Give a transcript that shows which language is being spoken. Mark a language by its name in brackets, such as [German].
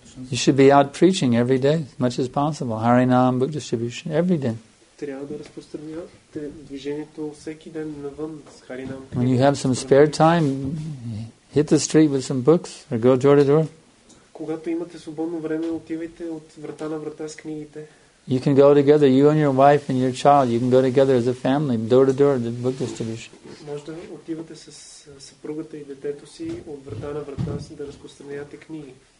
[English] You should be out preaching every day, as much as possible. Harinam, book distribution, every day. [Bulgarian] Трябва да разпространявате движението всеки ден навън с харинам. [English] When you have some spare time, hit the street with some books or go door to door. [Bulgarian] Когато имате свободно време, отивайте от врата на врата с книгите. [English] You can go together, you and your wife and your child, you can go together as a family, door to door, the book distribution. [Bulgarian] Може да отивате с съпругата и детето си от врата на врата си да разпространявате книги.